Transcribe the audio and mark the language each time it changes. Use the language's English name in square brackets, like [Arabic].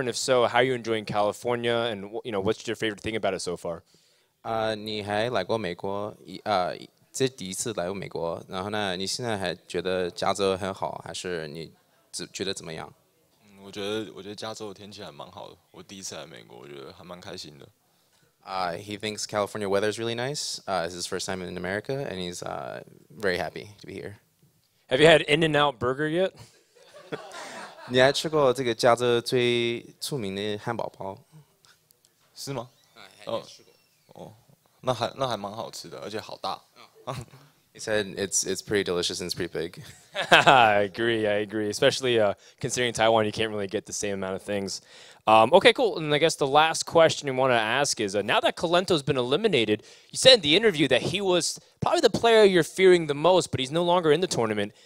[English] And if so, how are you enjoying California? And what's your favorite thing about it so far? [Chinese] 你还来过美国？这第一次来过美国，然后呢，你现在还觉得加州很好，还是你觉得怎么样？我觉得加州的天气还蛮好的。我第一次来美国，我觉得还蛮开心的。 [English] He thinks California weather is really nice. This is his first time in America, and he's very happy to be here. Have you had In-N-Out Burger yet? [Chinese] 你还吃过这个加州最出名的汉堡包？是吗？那还蛮好吃的，而且好大。 [English] He said it's pretty delicious and it's pretty big. I agree. Especially considering Taiwan, you can't really get the same amount of things. Okay, cool. And I guess the last question you want to ask is, now that Colento's been eliminated, you said in the interview that he was probably the player you're fearing the most, but he's no longer in the tournament.